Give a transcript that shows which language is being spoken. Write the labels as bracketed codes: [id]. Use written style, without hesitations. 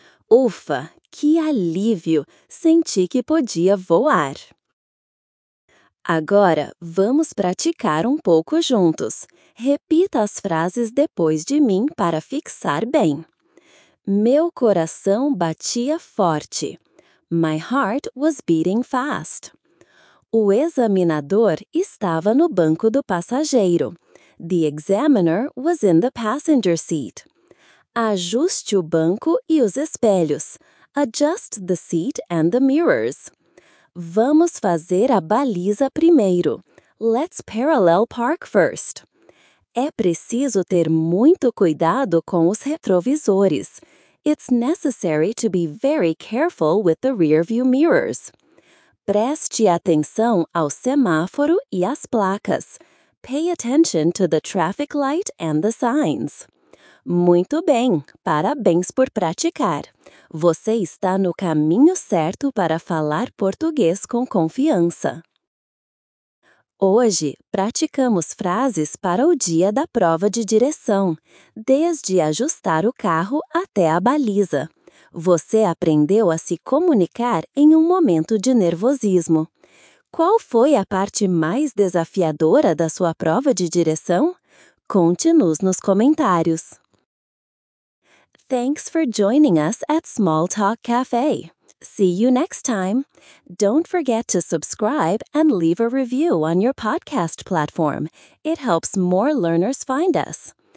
[pt] Ufa, que alívio! Senti que podia voar. Agora, vamos praticar um pouco juntos. Repita as frases depois de mim para fixar bem. Meu coração batia forte. [en] My heart was beating fast. [pt] O examinador estava no banco do passageiro. [en] The examiner was in the passenger seat. [pt] Ajuste o banco e os espelhos. [en] Adjust the seat and the mirrors. [pt] Vamos fazer a baliza primeiro. [en] Let's parallel park first. [pt] É preciso ter muito cuidado com os retrovisores. [en] It's necessary to be very careful with the rearview mirrors. [pt] Preste atenção ao semáforo e às placas. [en] pay attention to the traffic light and the signs. [pt] Muito bem! Parabéns por praticar! Você está no caminho certo para falar português com confiança. Hoje, praticamos frases para o dia da prova de direção, desde ajustar o carro até a baliza. Você aprendeu a se comunicar em um momento de nervosismo. Qual foi a parte mais desafiadora da sua prova de direção? Conte-nos nos comentários. [en] Thanks for joining us at Small Talk Cafe. See you next time. Don't forget to subscribe and leave a review on your podcast platform. It helps more learners find us.